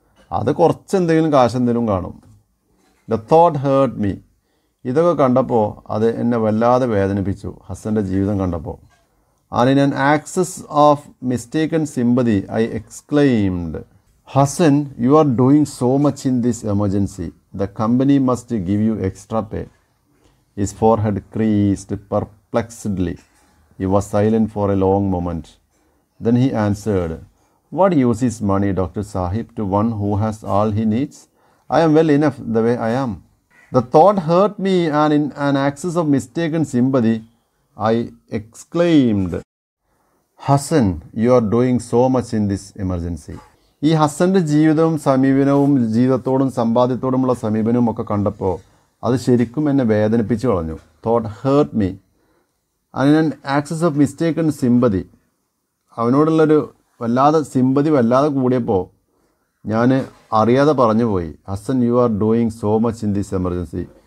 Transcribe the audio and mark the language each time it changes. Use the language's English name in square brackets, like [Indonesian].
[Malayalam] അത് കുറച്ച് എന്തെങ്കിലും കാശെന്തെങ്കിലും കാണും. [English] the thought hurt me, [Malayalam] ഇതൊക്കെ കണ്ടപ്പോൾ അത് എന്നെ വല്ലാതെ വേദനിപ്പിച്ചു, ഹസൻ്റെ ജീവിതം കണ്ടപ്പോൾ. [English] And in an access of mistaken sympathy I exclaimed, Hasan you are doing so much in this emergency, the company must give you extra pay. His forehead creased perplexedly. He was silent for a long moment. Then he answered, What use is money, Dr. Sahib, to one who has all he needs? I am well enough the way I am. The thought hurt me, and in an access of mistaken sympathy, I exclaimed, Hassan, you are doing so much in this emergency. [Malayalam] ഈ ഹസൻ്റെ ജീവിതവും സമീപനവും ജീവിതത്തോടും സമ്പാദ്യത്തോടുമുള്ള സമീപനവും ഒക്കെ കണ്ടപ്പോൾ അത് ശരിക്കും എന്നെ വേദനിപ്പിച്ച് കളഞ്ഞു. [English] Thought hurt me and an access of mistake and sympathy. [Malayalam] അവനോടുള്ളൊരു വല്ലാതെ സിമ്പതി വല്ലാതെ കൂടിയപ്പോൾ ഞാൻ അറിയാതെ പറഞ്ഞു പോയി, Hasan [English] You are doing so much in this emergency.